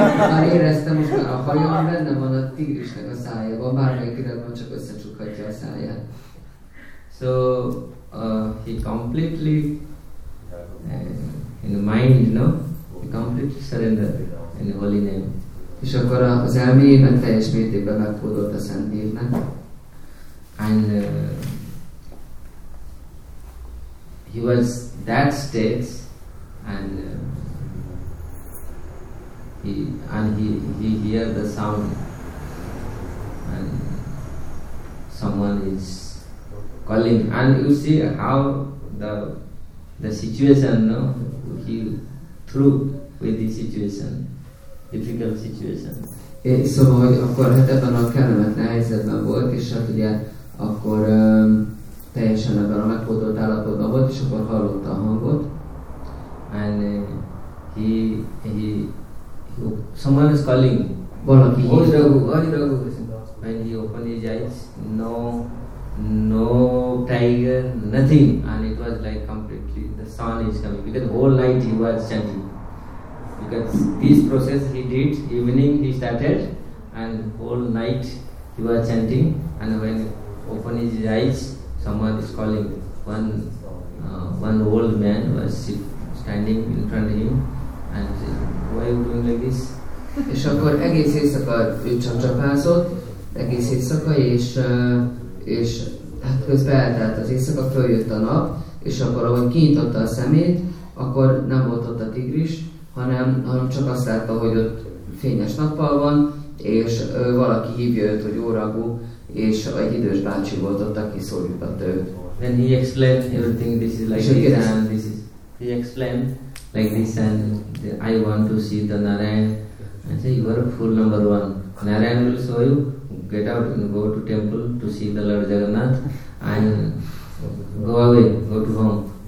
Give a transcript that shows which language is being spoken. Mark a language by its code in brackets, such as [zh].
[hu] Már éreztem, most már a hajam benne van a tigrisnek a szájában, bármely pillanatban csak összecsukhatja a száját. [en] So, he completely, in the mind, you know, he completely surrendered in the holy name. [hu] És akkor az elméjében teljes mértékben megfordult a Szent Névnek. [en] And he was that state, and he hear the sound and someone is calling, and you see how the situation, no, he through with the situation, difficult situation. [hu] Szóval, hogy akkor hát ebben a kellemetlen helyzetben volt, és hát ugye akkor teljesen ebben a megfordult állapotban volt, és akkor hallotta a hangot, [en] and he someone is calling. [hu] Valaki hívja. Hogy ragu. [en] And he opened his eyes. No tiger, nothing. And it was like completely, the sun is coming. Because whole night he was chanting. Because this process he did, evening he started. And whole night he was chanting. And when he opened his eyes, someone is calling. One old man was standing in front of him. And said, why are you doing like this? [hu] És akkor egész éjszaka ő csapcsapázott, egész éjszaka, és hát közben eltelt az éjszaka, följött a nap, és akkor ahogy kinyitotta a szemét, akkor nem volt ott a tigris, hanem csak azt látta, hogy ott fényes nappal van, és valaki hívja őt, hogy óragú, és egy idős bácsi volt ott, aki szólítatta őt. [en] Then he explained everything, this is like this, and this is, he explained like this, and I want to see the Narayan. I say, you are fool number one. Narayan will show you, get out and go to temple to see the Lord Jagannath, and go away, go to home.